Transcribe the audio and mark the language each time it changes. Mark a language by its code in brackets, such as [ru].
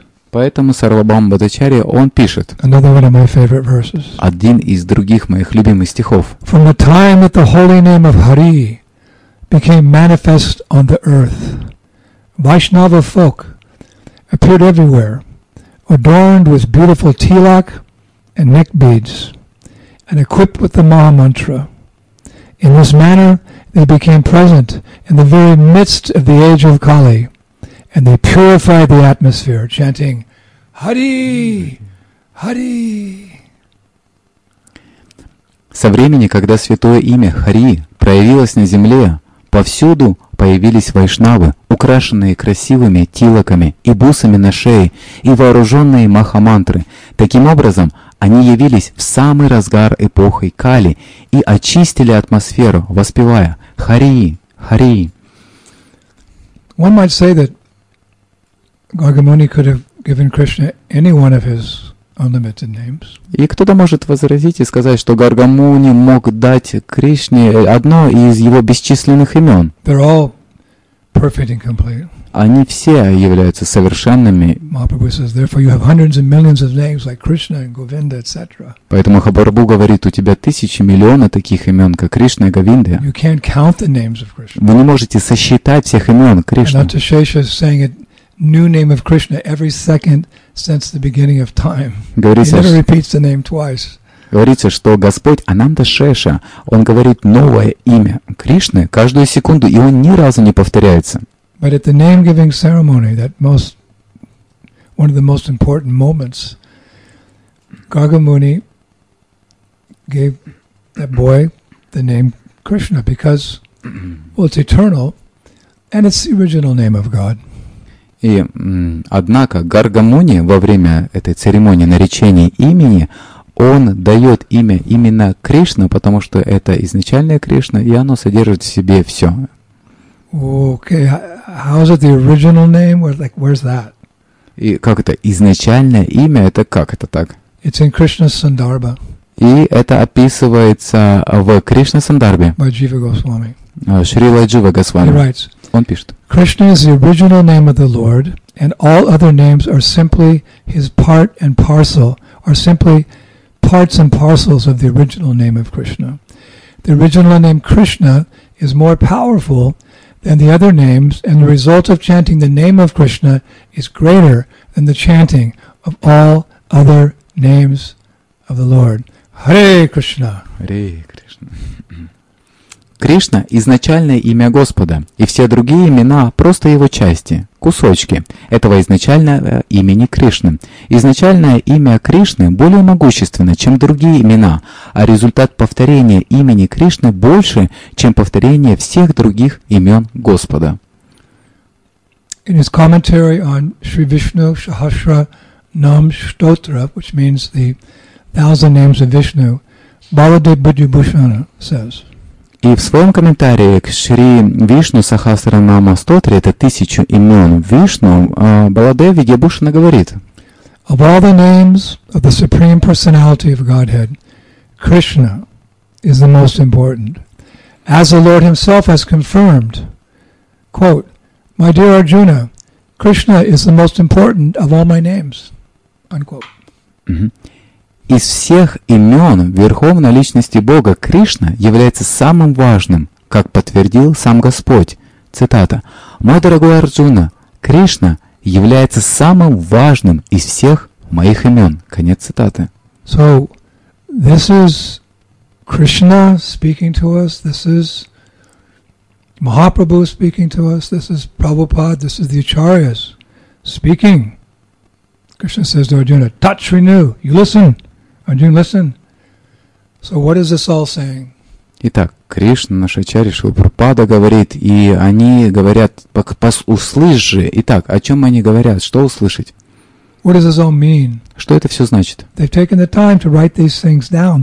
[ru] Поэтому Сарвабхаума Бхаттачарья, он пишет один из других моих любимых стихов. [en] From the time that the holy name of Hari became manifest on the earth, Vaishnava folk appeared everywhere, adorned with beautiful tilak and neck beads, and equipped with the Maha Mantra. In this manner, they became present in the very midst of the age of Kali, and they purified the atmosphere, chanting Hari! Hari! [ru] Со времени, когда святое имя Хари проявилось на земле, повсюду появились вайшнавы, украшенные красивыми тилаками и бусами на шее, и вооруженные махамантры. Таким образом, они явились в самый разгар эпохи Кали и очистили атмосферу, воспевая Хари! Хари! [en] One might say that Гаргамуни could have given Krishna any one of his unlimited names. [ru] И кто-то может возразить и сказать, что Гаргамуни мог дать Кришне одно из его бесчисленных имен. [en] They're all perfect and complete. [ru] Они все являются совершенными. [en] Mahaprabhu says, therefore you have hundreds and millions of names like Krishna and Govinda, etc. [ru] Поэтому Махапрабху говорит, у тебя тысячи, миллионы таких имен, как Кришна и Говинда. [en] You can't count the names of Krishna. [ru] Вы не можете сосчитать всех имен Кришны. [en] And Atishesha is saying it. New name of Krishna every second since the beginning of time. [ru] Говорится, [en] he never repeats the name twice. [ru] Говорится, что Господь Ананда Шеша, он говорит новое имя Кришны каждую секунду, и он ни разу не повторяется. [en] But at the name-giving ceremony, that most one of the most important moments, Gargamuni gave that boy the name Krishna because, well, it's eternal, and it's the original name of God. [ru] И, однако, Гаргамуни во время этой церемонии наречения имени, он дает имя именно Кришна, потому что это изначальная Кришна, и оно содержит в себе все. [en] Okay, how's it the original name? Where, like, where's that? [ru] И как это изначальное имя? Это как это так? [en] It's in Krishna Sandarbha. [ru] И это описывается в Кришна Сандарбе. [en] By Jiva Goswami. [ru] Шрила Джива Госвами. [en] He writes. [ru] Он пишет. [en] Krishna is the original name of the Lord, and all other names are simply his part and parcel, are simply parts and parcels of the original name of Krishna. The original name Krishna is more powerful than the other names, and the result of chanting the name of Krishna is greater than the chanting of all other names of the Lord. Hare Krishna! Hare Krishna! [ru] Кришна – изначальное имя Господа, и все другие имена – просто его части, кусочки этого изначального имени Кришны. Изначальное имя Кришны более могущественно, чем другие имена, а результат повторения имени Кришны больше, чем повторение всех других имен Господа. [en] In his commentary on Sri Vishnu Sahasra Nam Stotra, which means the thousand names of Vishnu, Baladev Bhujibhushana says, [ru] и в своем комментарии к Шри Вишну Сахасранама Стотре, это тысячу имен Вишну, Баладев Видьябушина говорит: [en] of all the names of the Supreme Personality of Godhead, Krishna is the most important. As the Lord Himself has confirmed, quote, my dear Arjuna, Krishna is the most important of all my names, unquote. [ru] Из всех имен Верховной Личности Бога Кришна является самым важным, как подтвердил сам Господь. Цитата. «Мой дорогой Арджуна, Кришна является самым важным из всех моих имен». Конец цитаты. [en] So, this is Krishna speaking to us, this is Mahaprabhu speaking to us, this is Prabhupada, this is the Acharyas speaking. Krishna says to Arjuna, touch, renew, you listen. Arjuna, listen. So what is this all saying? [ru] Итак, Кришна, наш Ачарья, Шилапрапада говорит, и они говорят, услышь же. Итак, о чем они говорят? Что услышать? [en] What does this all mean? [ru] Что это все значит? [en] They've taken the time to write these things down.